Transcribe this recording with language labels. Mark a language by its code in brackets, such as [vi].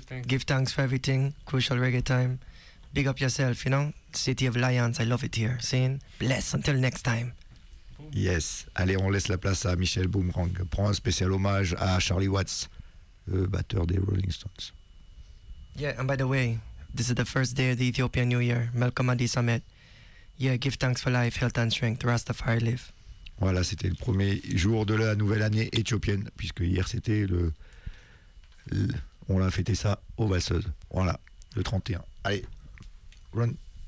[en] Give thanks for everything. Crucial Reggae Time. Big up yourself, you know. City of Lions, I love it here. Seeing. Bless until next time. Yes. [fr] Allez, on laisse la place à Michel Boomerang. Prends un spécial hommage à Charlie Watts, le batteur des Rolling Stones. [en] Yeah, and by the way, this is the first day of the Ethiopian New Year, Malcolm Addis Ahmed. Yeah, give thanks for life, health and strength, Rastafari live. [fr] Voilà, c'était le premier jour de la nouvelle année éthiopienne, puisque hier c'était on l'a fêté ça au Valseuse. Voilà, le 31. Allez, run.